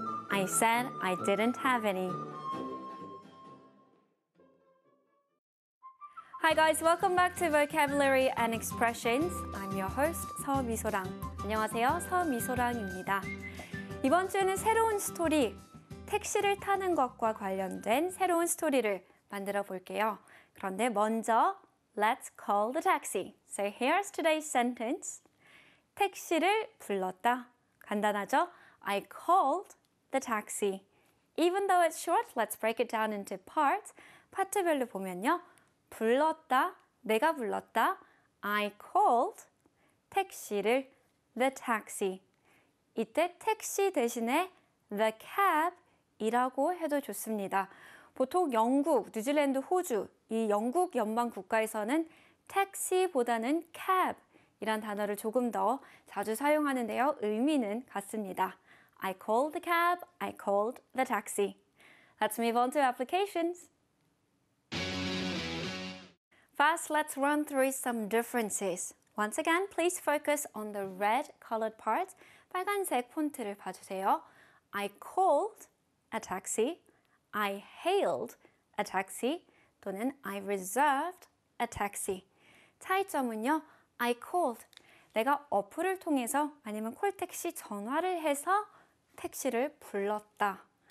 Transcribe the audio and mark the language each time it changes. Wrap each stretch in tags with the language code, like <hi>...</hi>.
<en>Hi guys, welcome back to Vocabulary and Expressions. I'm your host, 서미소랑.</en> <ko>안녕하세요, 서미소랑입니다. 이번 주에는 새로운 스토리, 택시를 타는 것과 관련된 새로운 스토리를 만들어 볼게요. 그런데 먼저,</ko> <en>let's call the taxi. So here's today's sentence.</en> <ko>택시를 불렀다. 간단하죠?</ko> <en>I called the taxi. Even though it's short, let's break it down into parts.</en> <ko>파트별로 보면요. 불렀다, 내가 불렀다, I called 택시를, the taxi. 이때 택시 대신에 the cab이라고 해도 좋습니다. 보통 영국, 뉴질랜드, 호주, 이 영국 연방 국가에서는 택시보다는 cab이란 단어를 조금 더 자주 사용하는데요. 의미는 같습니다.</ko> <en>I called the cab, I called the taxi. Let's move on to applications. First, let's run through some differences. Once again, please focus on the red colored part.</en> <ko>빨간색 폰트를 봐주세요.</ko> <en>I called a taxi, I hailed a taxi, 또는 I reserved a taxi.</en> <ko>차이점은요, I called. 내가 어플을 통해서 아니면 콜택시 전화를 해서 택시를 불렀다.</ko>